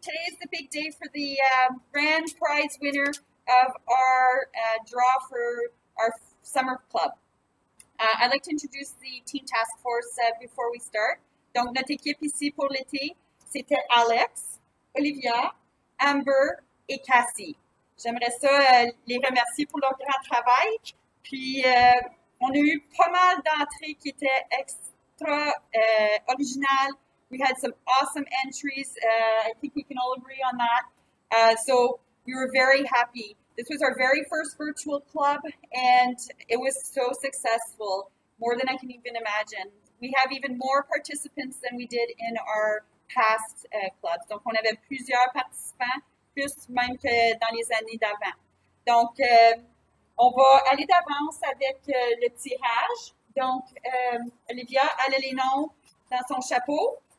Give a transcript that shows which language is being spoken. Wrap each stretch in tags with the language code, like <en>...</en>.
<en>Today is the big day for the grand prize winner of our draw for our summer club. I'd like to introduce the team task force before we start.</en> <fr>Donc, notre équipe ici pour l'été, c'était Alex, Olivia, Amber et Cassie. J'aimerais ça les remercier pour leur grand travail. Puis, on a eu pas mal d'entrées qui étaient extra originales.</fr> <en>We had some awesome entries. I think we can all agree on that. So we were very happy. This was our very first virtual club, and it was so successful, more than I can even imagine. We have even more participants than we did in our past clubs.</en> <fr>Donc, on avait plusieurs participants, plus même que dans les années d'avant. Donc, on va aller d'avance avec le tirage. Donc, Olivia, elle a les noms dans son chapeau.</fr>